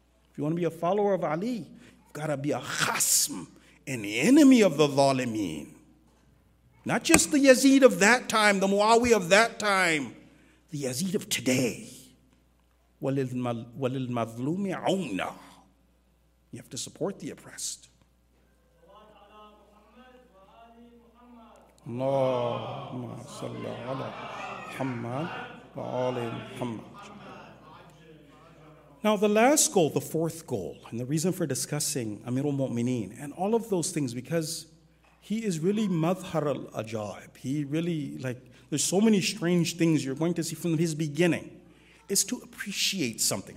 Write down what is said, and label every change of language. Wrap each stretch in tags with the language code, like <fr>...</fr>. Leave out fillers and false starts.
<en>If you want to be a follower of Ali, you've got to be a khasm, an enemy of the zalimin. Not just the Yazid of that time, the Muawiyah of that time, the Yazid of today.</en> <ar>وَلِلْمَظْلُومِ عَوْنًا.</ar> <en>You have to support the oppressed.</en> <ar>اللهم صل على محمد وعلى محمد.</ar> <en>Now the last goal, the fourth goal, and the reason for discussing Amir al-Mu'mineen and all of those things, because he is really madhar al-ajaib. He really, like, there's so many strange things you're going to see from his beginning, is to appreciate something.</en>